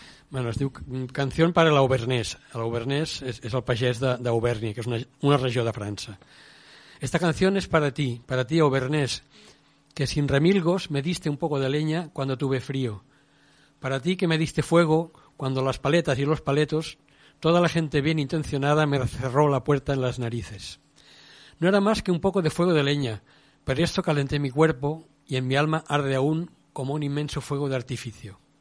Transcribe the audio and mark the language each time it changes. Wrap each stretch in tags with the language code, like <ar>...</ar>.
<ca>Bueno, es diu Canción para l'Auvernès. L'Auvernès és el pagès d'Auvernia, que és una regió de França.</ca> <es>Esta canción es para ti, Auvernès, que sin remilgos me diste un poco de leña cuando tuve frío. Para ti que me diste fuego cuando las paletas y los paletos, toda la gente bien intencionada me cerró la puerta en las narices. No era más que un poco de fuego de leña, pero esto calenté mi cuerpo y en mi alma arde aún como un inmenso fuego de artificio.</es>